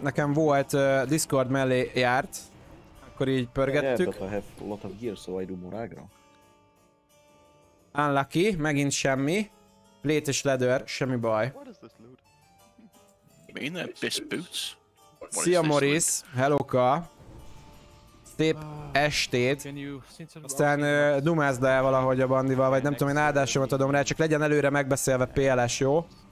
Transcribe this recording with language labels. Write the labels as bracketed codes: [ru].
[hu] Nekem volt Discord mellé járt. Akkor így pörgettük. [en] Yeah, but I have a lot of gear, so I do more aggro. [hu] Unlucky, megint semmi. Plate és leather, semmi baj. [en] What is this loot? Best boots? [hu] Szia Morris, hellóka. Szép estét. Aztán dumázd el valahogy a bandival, vagy nem tudom, én áldásomat adom rá, csak legyen előre megbeszélve PLS, jó?